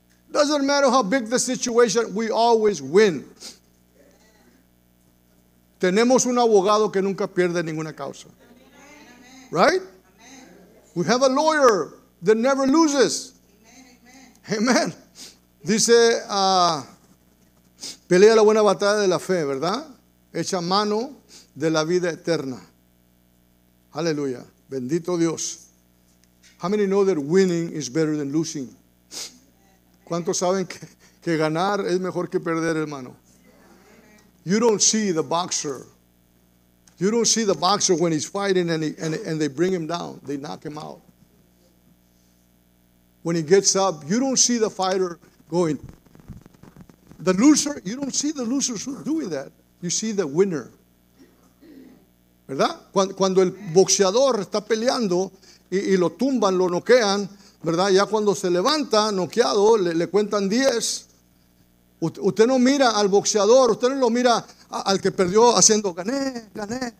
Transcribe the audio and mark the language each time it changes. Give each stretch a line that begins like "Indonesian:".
English: Doesn't matter how big the situation, we always win.
Spanish: Tenemos un abogado que nunca pierde ninguna causa. Right?
English: We have a lawyer that never loses. Amen.
Spanish: Dice, pelea la buena batalla de la fe, ¿verdad? Echa mano de la vida eterna. Aleluya. Bendito Dios.
English: How many know that winning is better than losing?
Spanish: ¿Cuántos saben que ganar es mejor que perder, hermano?
English: You don't see the boxer. You don't see the boxer when he's fighting and they bring him down. They knock him out. When he gets up, you don't see the fighter going. The loser, you don't see the losers doing that. You see the winner. ¿Verdad?
Spanish: Cuando el boxeador está peleando y lo tumban, lo noquean, ¿verdad? Ya cuando se levanta noqueado, le cuentan 10 Usted no mira al boxeador, usted no lo mira al que perdió haciendo gané, gané.